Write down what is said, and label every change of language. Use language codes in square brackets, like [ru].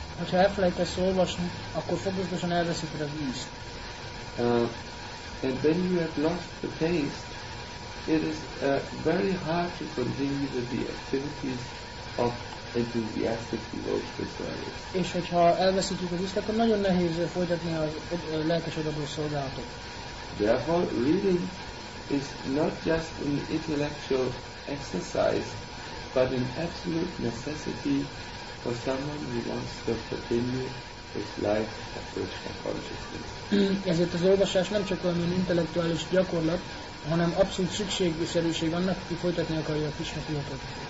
[hu] Ha elfelejtesz olvasni, akkor fokozatosan elveszik az ízt. [en] And when you have lost the taste, it is very hard to continue with the activities of enthusiastic devotional service. [hu] És hogyha elveszítjük az ízt, akkor nagyon nehéz folytatni a lelkes adagoló szolgálatot. [en] Therefore, reading is not just an intellectual exercise, but an absolute necessity for someone who wants to continue his life of Krishna consciousness. [hu] Ezért az olvasás nem csak olyan intellektuális gyakorlat, hanem abszolút szükségszerűség annak, aki folytatni akarja a Krishna tudatot.